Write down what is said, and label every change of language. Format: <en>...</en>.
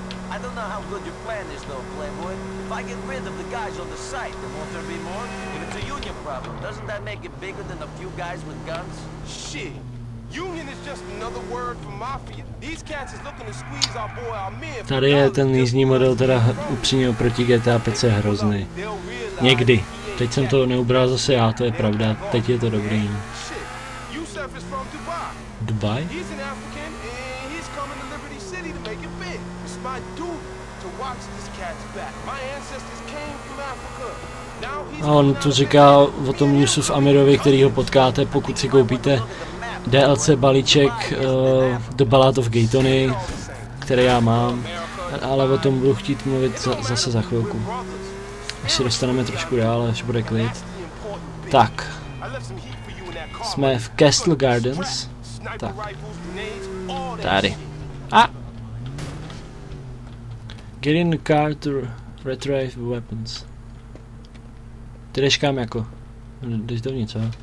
<en>I don't know how good your plan is though, Playboy. If I get rid of the guys on the site, then won't there be more? If it's a union problem, doesn't that make it bigger than a few guys with guns? Shit. Union is just another word for mafia. These cats is looking to squeeze our boy Amir.</en> <cs>Tady je ten nízní model teda upřímně oproti GTA 5 hrozný. Někdy. Teď jsem to neubral zase já, to je pravda. Teď je to dobrý.</cs> <en>Yusuf is from Dubai. Dubai? He's an African and he's coming to Liberty City to make it big. It's my duty to watch this cat's back. My ancestors came from Africa. Now he's.</en> <cs>A on tu říká o tom Yusuf Amirovi, který ho potkáte, pokud si koupíte DLC balíček The Ballad of Gay Tony, který já mám, ale o tom budu chtít mluvit zase za chvilku. Až si dostaneme trošku dál, až bude klid. Tak, jsme v Castle Gardens. Tak, tady. A!</cs> <en>Get in the car to retrieve weapons.</en> <cs>Ty jdeš kam jako? Jdeš dovnitř, co?</cs>